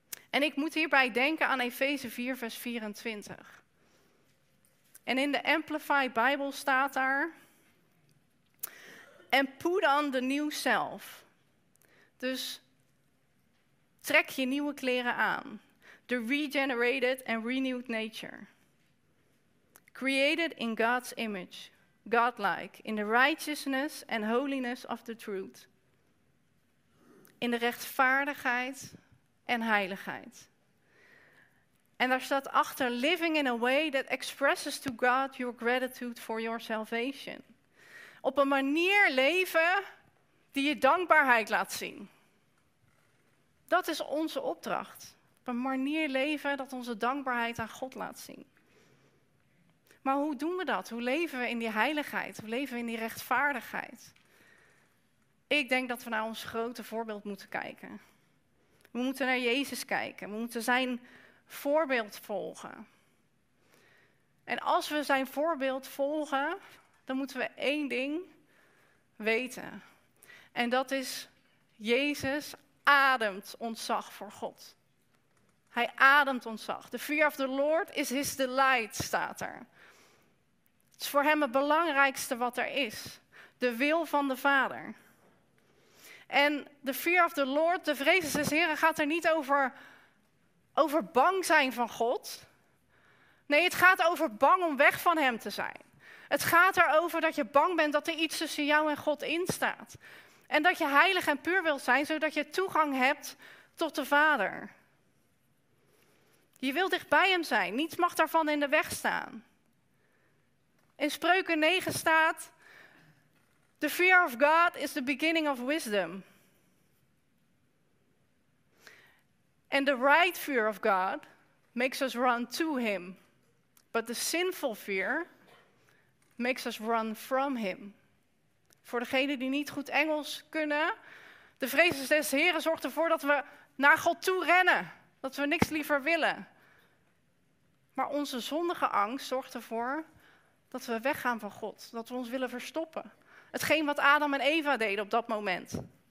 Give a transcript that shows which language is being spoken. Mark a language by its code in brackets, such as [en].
[nl] En ik moet hierbij denken aan Efeze 4, vers 24. En in de Amplified Bible staat daar, en put on the new self. Dus trek je nieuwe kleren aan. [en] The regenerated and renewed nature. Created in God's image, Godlike, in the righteousness and holiness of the truth. [nl] In de rechtvaardigheid en heiligheid. [en] En daar staat achter, living in a way that expresses to God your gratitude for your salvation. [nl] Op een manier leven die je dankbaarheid laat zien. Dat is onze opdracht. Op een manier leven dat onze dankbaarheid aan God laat zien. Maar hoe doen we dat? Hoe leven we in die heiligheid? Hoe leven we in die rechtvaardigheid? Ik denk dat we naar ons grote voorbeeld moeten kijken. We moeten naar Jezus kijken. We moeten zijn voorbeeld volgen. En als we zijn voorbeeld volgen, dan moeten we één ding weten. En dat is, Jezus ademt ontzag voor God. Hij ademt ontzag. [en] The fear of the Lord is his delight, staat er. [nl] Het is voor hem het belangrijkste wat er is. De wil van de Vader. En the fear of the Lord, de vrees des Heren, gaat er niet over bang zijn van God. Nee, het gaat over bang om weg van hem te zijn. Het gaat erover dat je bang bent dat er iets tussen jou en God instaat. En dat je heilig en puur wilt zijn, zodat je toegang hebt tot de Vader. Je wilt dicht bij hem zijn. Niets mag daarvan in de weg staan. In Spreuken 9 staat, the fear of God is the beginning of wisdom. [en] And the right fear of God makes us run to him. But the sinful fear makes us run from him. [nl] Voor degenen die niet goed Engels kunnen, de vrees des Heren zorgt ervoor dat we naar God toe rennen. Dat we niks liever willen. Maar onze zondige angst zorgt ervoor dat we weggaan van God. Dat we ons willen verstoppen. Hetgeen wat Adam en Eva deden op dat moment.